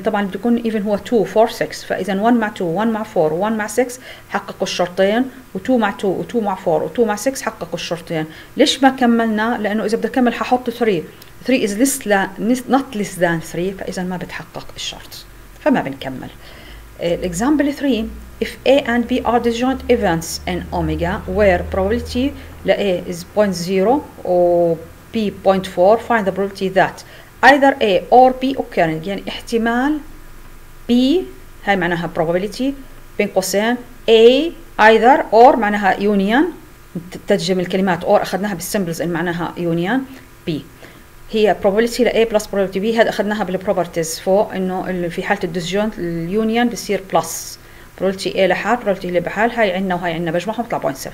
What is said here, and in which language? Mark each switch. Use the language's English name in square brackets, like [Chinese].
[Arabic] طبعا بيكون ايفن هو 2 4 6، فاذا 1 مع 2 1 مع 4 1 مع 6 حققوا الشرطين، و2 مع 2 و2 مع 4 و2 مع 6 حققوا الشرطين. ليش ما كملنا؟ لانه اذا بدي اكمل ححط 3، [English] 3 is less than, not less than 3، [Arabic] فاذا ما بتحقق الشرط فما بنكمل. [English] الاكزامبل 3: if a and b are disjoint events in omega where probability la a is 0.0 or b 0.4, find the probability that either a or b occur. [Arabic] يعني احتمال b هاي معناها probability بين قوسين [English] a either or [Arabic] معناها union، تجزم الكلمات or اخذناها بالسيمبلز ان معناها union b، هي probability لA plus probability B. هذا أخذناها بالproperties فوق، إنه في حالة الديسجونت اليونيون بصير plus probability A لحال probability اللي بحال، هاي عندنا وهاي عندنا بجمعهم بطلع 0.7.